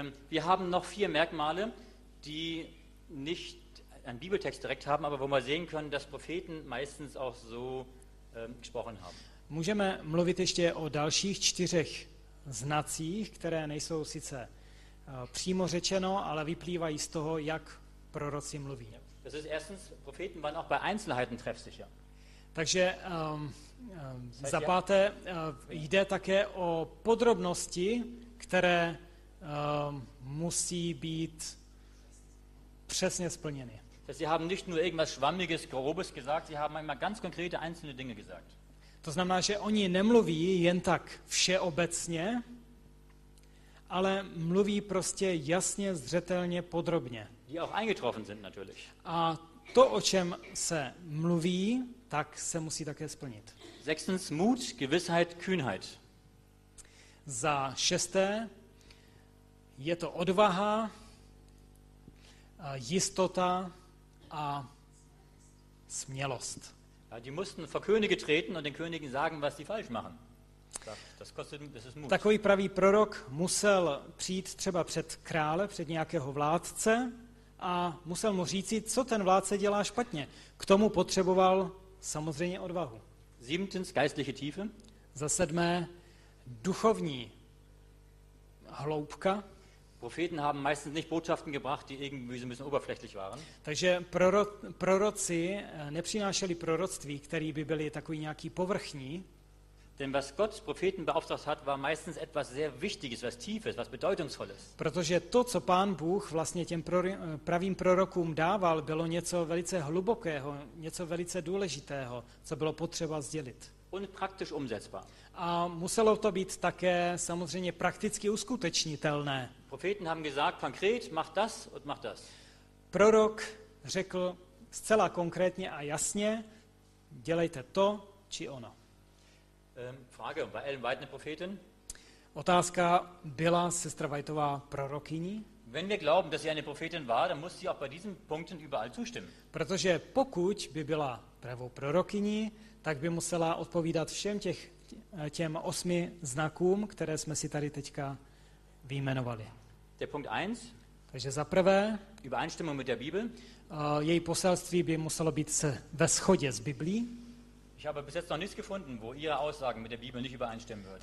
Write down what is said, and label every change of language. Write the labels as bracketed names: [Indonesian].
[German] Wir haben noch vier Merkmale, die nicht einen Bibeltext direkt haben, aber wo wir sehen können, dass Propheten meistens auch so gesprochen haben. [Czech] Můžeme mluvit ještě o dalších čtyřech znacích, které nejsou sice přímo řečeno, ale vyplývají z toho, jak proroci mluví. [German] Das ist erstens, Propheten waren auch bei Einzelheiten treffsicher. [Czech] Takže za páté jde také o podrobnosti, které musí být přesně splněny. [German] Sie haben nicht nur irgendwas schwammiges, grobes gesagt, sie haben immer ganz konkrete einzelne Dinge gesagt. [Czech] To znamená, že oni nemluví jen tak všeobecně, ale mluví prostě jasně, zřetelně, podrobně. [German] Die auch eingetroffen sind natürlich. [Czech] A to, o čem se mluví, tak se musí také splnit. [German] Sechstens, Mut, Gewissheit, Kühnheit. [Czech] Za šesté, je to odvaha, jistota a smělost. [German] Ja, die mussten vor Könige treten und den Königen sagen, was sie falsch machen. Das kostet, das ist Mut. [Czech] Takový pravý prorok musel přijít třeba před krále, před nějakého vládce a musel mu říci, co ten vládce dělá špatně. K tomu potřeboval samozřejmě odvahu. [German] Siebtens, geistliche Tiefe. [Czech] Za sedmé, duchovní hloubka. [German] Propheten haben meistens nicht Botschaften gebracht, die irgendwie so ein bisschen oberflächlich waren. [Czech] Takže proroci nepřinášeli proroctví, které by byly takový nějaký povrchní. [German] Denn was Gott Propheten beauftragt hat, war meistens etwas sehr Wichtiges, was Tiefes, was Bedeutungsvolles. [Czech] Protože to, co Pán Bůh vlastně těm pravým prorokům dával, bylo něco velice hlubokého, něco velice důležitého, co bylo potřeba sdělit. [German] Und praktisch umsetzbar. [Czech] A muselo to být také samozřejmě prakticky uskutečnitelné. [German] Propheten haben gesagt konkret, mach das und mach das. [Czech] Prorok řekl zcela konkrétně a jasně, dělejte to či ono. [German] Frage, war Ellen White eine Prophetin? [Czech] Otázka byla, sestra Whiteová prorokyní? [German] Wenn wir glauben, dass sie eine Prophetin war, dann muss sie auch bei diesen Punkten überall zustimmen. [Czech] Protože pokud by byla pravou prorokyní, tak by musela odpovídat všem těm osmi znakům, které jsme si tady teďka vyjmenovali. [German] Der Punkt 1. [Czech] Takže za prvé, Übereinstimmung mit der Bibel. Její poselství by muselo být ve shodě s Biblí. [German] Ich habe bis jetzt noch nichts gefunden, wo ihre Aussagen mit der Bibel nicht übereinstimmen würden.